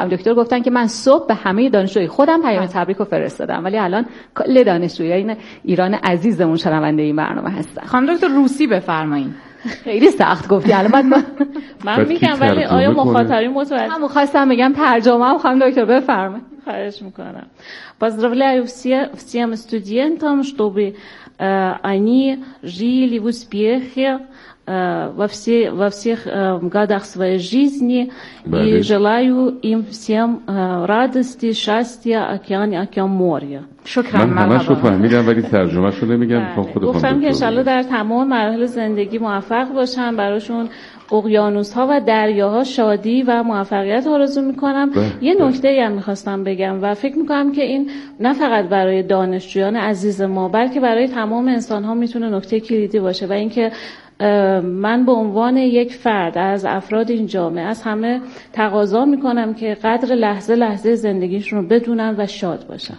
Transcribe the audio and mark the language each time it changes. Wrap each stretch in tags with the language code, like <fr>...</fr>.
<fa>خانم دکتر گفتن که من صبح به همه دانشجوی خودم پیام تبریک رو فرستادم، ولی الان کل دانشجوی این ایران عزیزمون شنونده این برنامه هستن. خانم دکتر روسی بفرمایید. خیلی سخت گفتی الان من میگم ولی آیا مخاطبی متوجه همون خواستم بگم ترجمه هم خانم دکتر بفرمایید. خواهش میکنم.</fa> <ru>поздравляю всем студентам чтобы они жили в успехе во всех годах своей жизни и желаю им всем радости счастья океан океан моря.</ru> <fa>شکرم. من همه شو فهمیدم ولی ترجمه شو نمیگم. گفتم که انشالله در تمام مراحل زندگی موفق باشم، براشون اقیانوس ها و دریاها شادی و موفقیت آرزو میکنم. یه نکته هم میخواستم بگم و فکر میکنم که این نه فقط برای دانشجویان عزیز ما بلکه برای تمام انسان ها میتونه نکته کلیدی باشه و اینکه من به عنوان یک فرد از افراد این جامعه از همه تقاضا میکنم که قدر لحظه لحظه زندگیشون رو بدونن و شاد باشن.</fa>